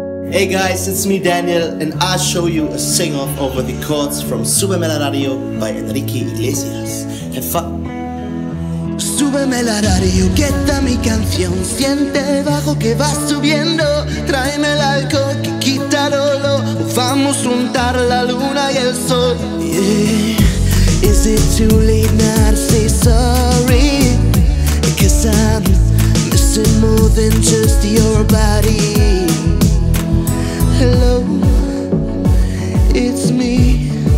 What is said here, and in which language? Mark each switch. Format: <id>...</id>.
<en>Hey guys, it's me Daniel, and I'll show you a sing-off over the chords from Súbeme la Radio by Enrique Iglesias. Have fun!</en> <es>Súbeme la radio, que está mi canción. Siente el bajo que va subiendo. Tráeme el alcohol que quita el olor. Vamos a juntar la luna y el sol. Yeah.</es> <en>Is it too late now to say sorry? Cause I'm missing more than just your body. Hello, it's me.</en>